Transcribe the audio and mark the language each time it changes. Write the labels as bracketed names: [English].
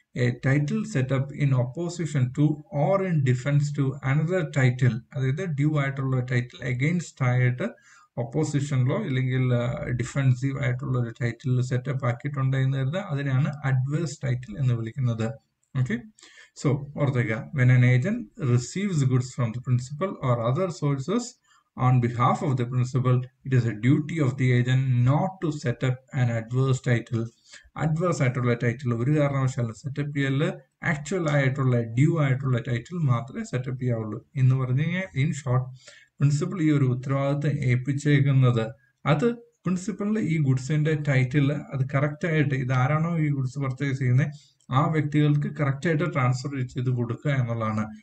[English] a title setup in opposition to or in defence to another title, [Malayalam] അതായത് due ആയിട്ടുള്ള title against ആയിട്ട് ഒപ്പോസിഷനിലോ അല്ലെങ്കിൽ defensive ആയിട്ടുള്ള ഒരു ടൈറ്റിൽ സെറ്റപ്പ് ആക്കിയിട്ടുണ്ട് എന്ന് കരുത്, അതിനെയാണ് അഡ്വേഴ്സ് ടൈറ്റിൽ എന്ന് വിളിക്കുന്നത്. [English] Okay, so ഓർത്തേക്ക, when an agent receives goods from the principal or other sources on behalf of the principal, it is a duty of the agent not to set up an adverse title. [Malayalam] Adverse ആയിട്ടുള്ള title ഒരു കാരണവശാലും setup ചെയ്യല്ല, actual ആയിട്ടുള്ള due ആയിട്ടുള്ള title മാത്രമേ setup ചെയ്യാവുള്ളൂ എന്ന് പറഞ്ഞു കഴിഞ്ഞാൽ, [English] in short [Malayalam] പ്രിൻസിപ്പിൾ ഈ ഒരു ഉത്തരവാദിത്തം ഏൽപ്പിച്ചേക്കുന്നത് അത് പ്രിൻസിപ്പിളിന് ഈ ഗുഡ്സിന്റെ ടൈറ്റിൽ അത് കറക്റ്റ് ആയിട്ട് ഇതാരാണോ ഈ ഗുഡ്സ് പർച്ചേസ് ചെയ്യുന്നത് ആ വ്യക്തികൾക്ക് കറക്റ്റ് ആയിട്ട് ട്രാൻസ്ഫർ ചെയ്ത് കൊടുക്കുക എന്നുള്ളതാണ്.